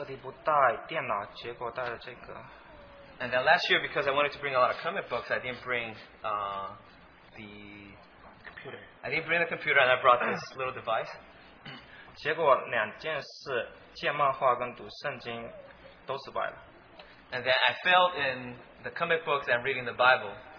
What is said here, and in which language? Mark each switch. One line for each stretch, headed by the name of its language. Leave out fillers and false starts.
Chinese: 去年去多伦多的时候，为了让自己戒掉帽，我还特地不带电脑，结果带了这个。
English: And then last year, because I wanted to bring a lot of comic books, I didn't bring the computer. I didn't bring the computer, and I brought this little device.
Chinese: 结果两件事，戒漫画跟读圣经，都失败了。
English: And then I failed in the comic books and reading the Bible.